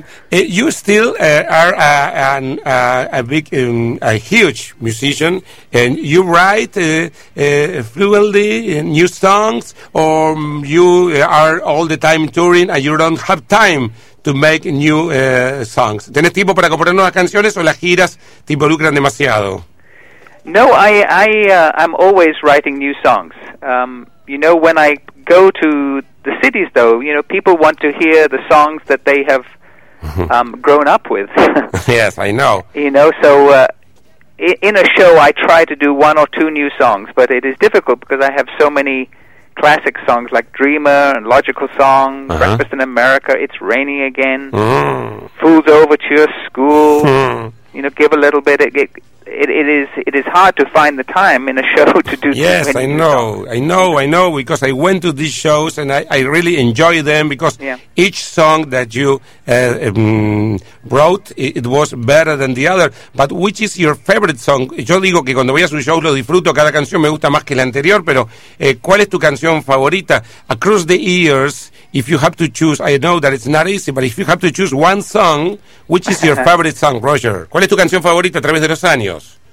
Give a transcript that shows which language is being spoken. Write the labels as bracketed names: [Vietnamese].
[English] You still are a huge musician, and you write fluently new songs, or you are all the time touring and you don't have time to make new songs. [Spanish] ¿Tienes tiempo para componer nuevas canciones o las giras te involucran demasiado? [English] No, I'm always writing new songs. You know, when I go to the cities, though, you know, people want to hear the songs that they have grown up with. Yes, I know. You know, so in a show, I try to do one or two new songs, but it is difficult because I have so many classic songs like Dreamer and Logical Song, uh-huh. Breakfast in America, It's Raining Again, Fool's Overture, School, you know, Give a Little Bit. It is hard to find the time in a show to do. Yes, I know, songs. I know, because I went to these shows and I really enjoy them, because each song that you wrote, it was better than the other. But which is your favorite song? [Spanish] Yo digo que cuando voy a su show lo disfruto, cada canción me gusta más que la anterior, pero ¿cuál es tu canción favorita? [English] Across the years, if you have to choose, I know that it's not easy, but if you have to choose one song, which is your favorite song, Roger? [Spanish] ¿Cuál es tu canción favorita a través de los años?